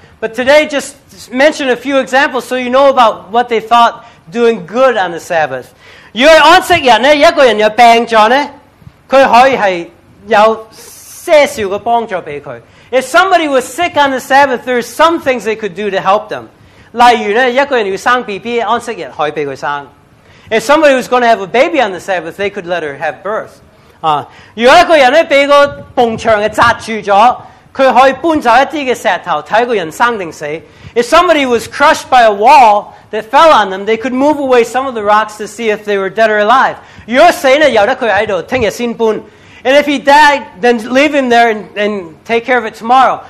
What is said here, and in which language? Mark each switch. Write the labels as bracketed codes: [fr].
[en] But today, just mention a few examples so you know about what they thought doing good on the Sabbath. [zh] 如果安息日呢,一個人有病了呢,他可以有些少的幫助給他。 [en] If somebody was sick on the Sabbath, there are some things they could do to help them. [zh] 例如呢,一個人要生BB,安息日可以讓他生。 [en] If somebody was going to have a baby on the Sabbath, they could let her have birth. [zh] 如果一個人被一個蹦牆的砸住了,他可以搬走一些石頭,看一個人生還是死。 [en] If somebody was crushed by a wall that fell on them, they could move away some of the rocks to see if they were dead or alive. [zh] 如果死呢,有得他在這裡,明天才搬。 [en] And if he died, then leave him there and take care of it tomorrow.